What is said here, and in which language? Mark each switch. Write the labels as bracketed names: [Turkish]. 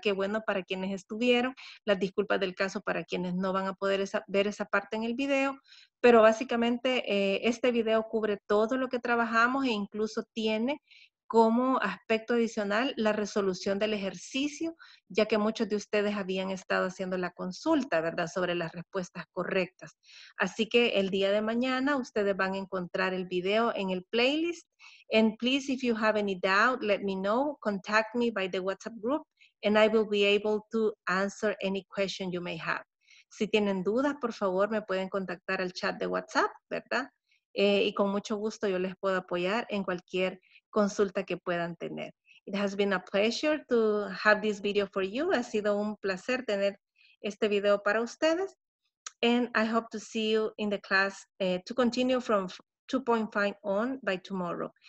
[Spanish] Qué bueno para quienes estuvieron, las disculpas del caso para quienes no van a poder ver esa parte en el video, pero básicamente este video cubre todo lo que trabajamos e incluso tiene como aspecto adicional la resolución del ejercicio, ya que muchos de ustedes habían estado haciendo la consulta, ¿verdad?, sobre las respuestas correctas. Así que el día de mañana ustedes van a encontrar el video en el playlist. [English] And please, if you have any doubt, let me know. Contact me by the WhatsApp group and I will be able to answer any question you may have. [Spanish] Si tienen dudas, por favor, me pueden contactar al chat de WhatsApp, ¿verdad? Y con mucho gusto yo les puedo apoyar en cualquier consulta que puedan tener. [English] It has been a pleasure to have this video for you. [Spanish] Ha sido un placer tener este video para ustedes. [English] And I hope to see you in the class to continue from 2.5 on by tomorrow.